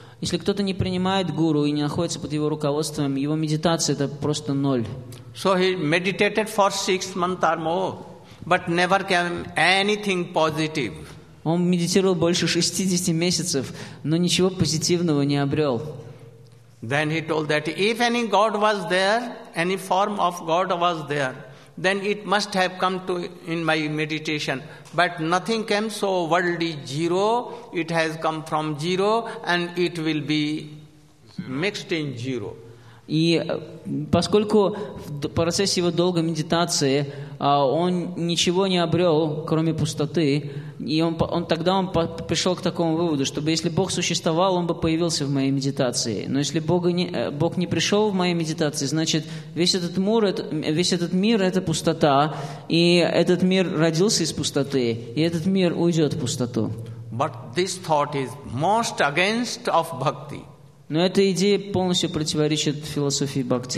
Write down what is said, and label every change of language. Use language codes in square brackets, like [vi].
[ru] Если кто-то не принимает гуру и не находится под его руководством, его медитация – это просто ноль. [en] So he meditated for 6 months or more, but never came anything positive. [ru] Он медитировал больше 60 месяцев, но ничего позитивного не обрел. [en] Then he told that if any God was there, any form of God was there, then it must have come to in my meditation. But nothing came, so world is zero, it has come from zero, and it will be mixed in zero. [ru] И поскольку в процессе его долгой медитации он ничего не обрел, кроме пустоты, и он тогда пришел к такому выводу, что если Бог существовал, он бы появился в моей медитации. Но если Бог не пришел в моей медитации, значит, весь этот мир – это пустота, и этот мир родился из пустоты, и этот мир уйдет в пустоту. [en] But this thought is most against of bhakti. [ru] Но эта идея полностью противоречит философии бхакти.